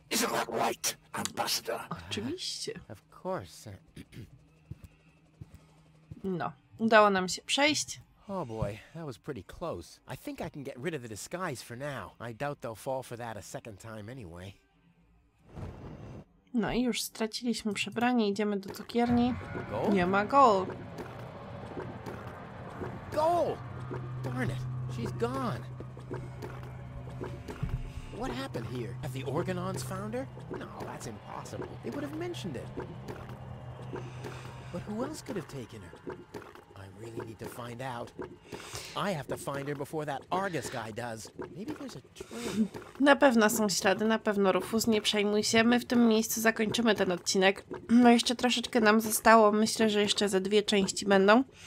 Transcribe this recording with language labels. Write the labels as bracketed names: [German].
[English] Isn't that right, ambassador? [Polish] Oczywiście. [English] Of course. [Polish] No. Udało nam się przejść. [English] Oh boy, that was pretty close. I think I can get rid of the disguise for now. I doubt they'll fall for that a second time anyway. [Polish] No i już straciliśmy przebranie, idziemy do cukierni. Nie ma Goal. [English] Goal! Darn it, she's gone. What happened here? Have the Organons found her? No, that's impossible. They would have mentioned it. But who else could have taken her? I really need to find out. I have to find her before that Argus guy does. Maybe there's a trail. [Polish] Na pewno są ślady, na pewno Rufus, nie przejmuj się. My w tym miejscu zakończymy ten odcinek. No jeszcze troszeczkę nam zostało, myślę, że jeszcze ze dwie części będą.